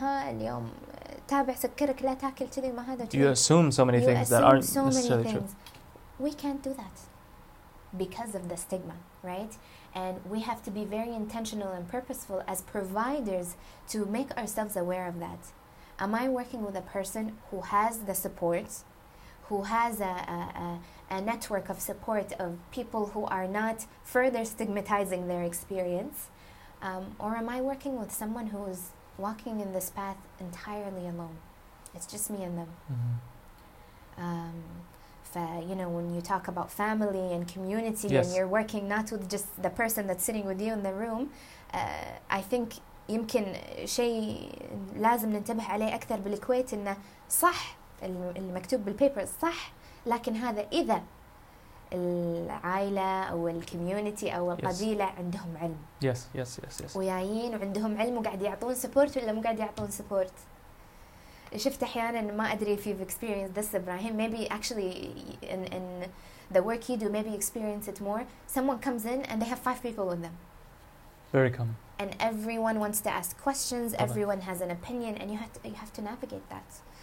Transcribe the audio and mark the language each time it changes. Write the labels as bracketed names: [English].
[Arabic] ها اليوم تابع سكرك لا تاكل كذي ما هذا. [English] You assume so many things that aren't necessarily true. We can't do that because of the stigma, right? And we have to be very intentional and purposeful as providers to make ourselves aware of that. Am I working with a person who has the support, who has a network of support of people who are not further stigmatizing their experience? Or am I working with someone who is walking in this path entirely alone? It's just me and them. Mm-hmm. You know, when you talk about family and community, yes, and you're working not with just the person that's sitting with you in the room, I think [Arabic] يمكن شيء لازم ننتبه عليه أكثر بالكويت إنه صح المكتوب بالبيبر صح, لكن هذا إذا العائلة أو الكوميونتي أو القبيلة, [English] yes, [Arabic] عندهم علم, [English] yes, yes, yes, yes, [Arabic] ويايين وعندهم علم وقاعد يعطون سبورت ولا مو قاعد يعطون سبورت. شفت أحيانا ما أدري [English] if you've experienced this, Ibrahim, maybe actually in the work you do, maybe experience it more. Someone comes in and they have 5 people with them. Very common. And everyone wants to ask questions. Okay. Everyone has an opinion, and you have to navigate that.